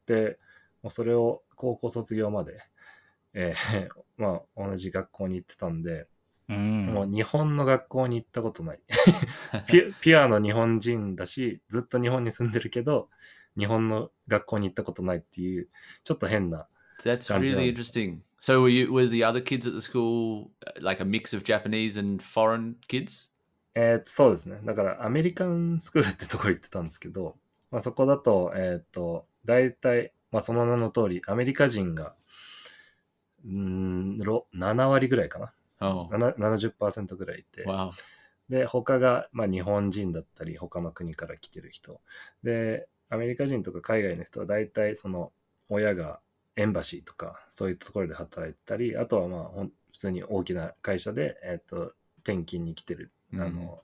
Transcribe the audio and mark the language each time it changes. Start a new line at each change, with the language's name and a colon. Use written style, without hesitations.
Japanese: で、もうそれを高校卒業まで、まあ、同じ学校に行ってたんで、うん、もう日本の学校に行ったことない。ピュアの日本人だし、ずっと日本に住んでるけど、日本の学校に行ったことないっていう、ちょっと変な感じなんです。
English: That's really interesting. So were the other kids at the school like a mix of Japanese and foreign kids?
Japanese: そうですね。だからアメリカンスクールってところ行ってたんですけど、まあ、そこだと、大体、まあ、その名の通りアメリカ人が、7割ぐらいかな、70% ぐらいいて、
English: wow.
Japanese: で他が、まあ、日本人だったり他の国から来てる人で、アメリカ人とか海外の人は大体その親がエンバシーとかそういったところで働いたり、あとはまあ普通に大きな会社で、転勤に来てる、mm.